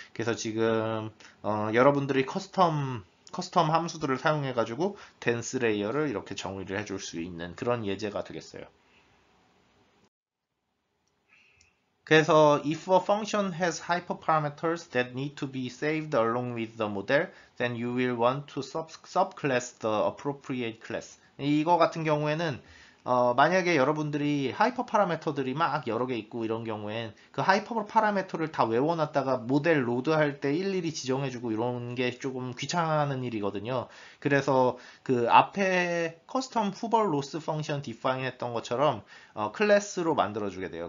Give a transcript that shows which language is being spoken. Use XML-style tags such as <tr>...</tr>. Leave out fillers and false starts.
<ko>그래서 지금, 여러분들이 커스텀 함수들을 사용해가지고 댄스 레이어를 이렇게 정의를 해줄 수 있는 그런 예제가 되겠어요. 그래서</ko> <en>if a function has hyperparameters that need to be saved along with the model, then you will want to subclass the appropriate class.</en> <ko>이거 같은 경우에는 만약에 여러분들이 하이퍼 파라메터들이 막 여러 개 있고 이런 경우엔 그 하이퍼 파라메터를 다 외워놨다가 모델 로드할 때 일일이 지정해주고 이런 게 조금 귀찮은 일이거든요. 그래서 그 앞에 커스텀 후버 로스 펑션 디파인 했던 것처럼 클래스로 만들어주게 돼요.</ko>